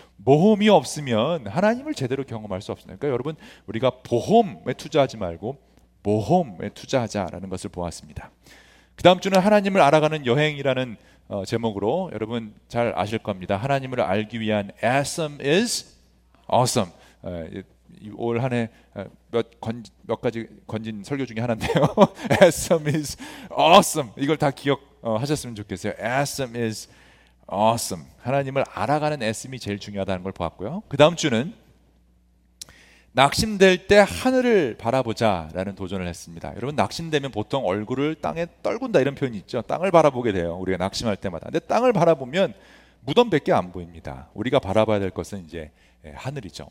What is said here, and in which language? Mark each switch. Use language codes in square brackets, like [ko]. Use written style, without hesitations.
[ko] 모험이 없으면 하나님을 제대로 경험할 수 없습니다. 그러니까 여러분 우리가 보험에 투자하지 말고 모험에 투자하자라는 것을 보았습니다. 그 다음 주는 하나님을 알아가는 여행이라는 제목으로 여러분 잘 아실 겁니다. 하나님을 알기 위한 [en] Awesome is Awesome. [ko] 올 한 해 몇 가지 건진 설교 중에 하나인데요. [en] Awesome is awesome. [ko] 이걸 다 기억하셨으면 좋겠어요. [en] Awesome is Awesome. [ko] 하나님을 알아가는 애씀이 제일 중요하다는 걸 보았고요. 그 다음 주는 낙심될 때 하늘을 바라보자라는 도전을 했습니다. 여러분 낙심되면 보통 얼굴을 땅에 떨군다 이런 표현이 있죠. 땅을 바라보게 돼요. 우리가 낙심할 때마다. 근데 땅을 바라보면 무덤밖에 안 보입니다. 우리가 바라봐야 될 것은 이제 하늘이죠.